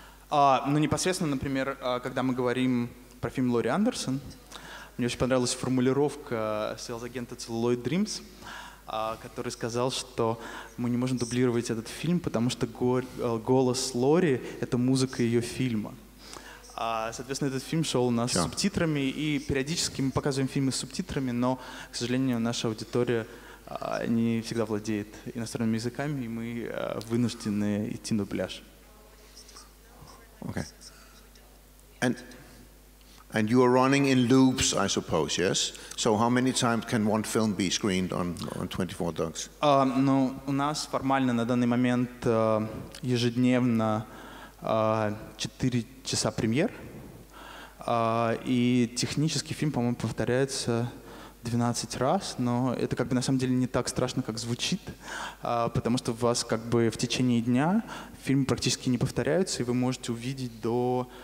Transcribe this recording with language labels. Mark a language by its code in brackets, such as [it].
[ru] Ну, непосредственно, например, когда мы говорим про фильм Лори Андерсон, мне очень понравилась формулировка сейлс-агента Celluloid Dreams, который сказал, что мы не можем дублировать этот фильм, потому что голос Лори — это музыка ее фильма. Соответственно, этот фильм шел у нас с субтитрами, и периодически мы показываем фильмы с субтитрами, но, к сожалению, наша аудитория не всегда владеет иностранными языками, и мы вынуждены идти на дубляж. [en] Okay. And you are running in loops, I suppose, yes? So how many times can one film be screened on 24 Ducks? [ru] Ну, у нас формально на данный момент ежедневно 4 часа премьер, и технический фильм, по-моему, повторяется 12 раз, но это как бы на самом деле не так страшно, как звучит, потому что у вас как бы в течение дня фильмы практически не повторяются, и вы можете увидеть до...